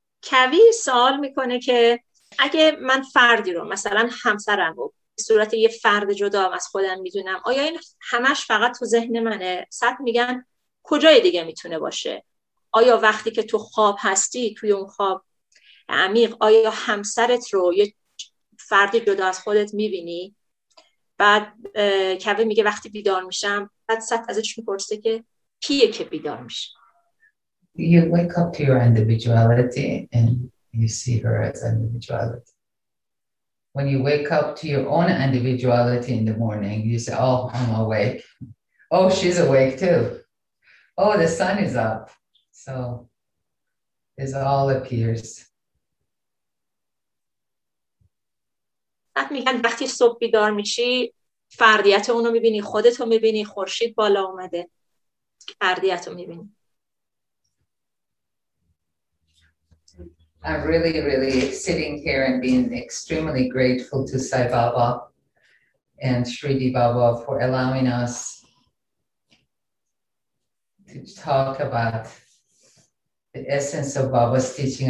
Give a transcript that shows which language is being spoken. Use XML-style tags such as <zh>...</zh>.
<fa>کوی سوال میکنه که اگه من فردی رو مثلا همسرم رو به صورت یه فرد جدا از خودم میدونم، آیا این همش فقط تو ذهن منه؟ صد میگن کجای دیگه میتونه باشه؟ آیا وقتی که تو خواب هستی توی اون خواب عمیق، آیا همسرت رو یه فردی جدا از خودت میبینی؟ بعد کوی میگه وقتی بیدار میشم، بعد صد ازش میپرسه که کیه که بیدار میشه؟</fa> <en>You wake up to your individuality and you see her as individuality. When you wake up to your own individuality in the morning, you say, oh, I'm awake. Oh, she's awake too. Oh, the sun is up. So it all appears.</en> <fa>بعد میگن وقتی صبح بیدار میشی فردیت اونو میبینی، خودتو میبینی، خورشید بالا اومده، فردیتو میبینی.</fa> <en>I'm really, really sitting here and being extremely grateful to Sai Baba and Shridi Baba for allowing us to talk about the essence of Baba's teaching.</en>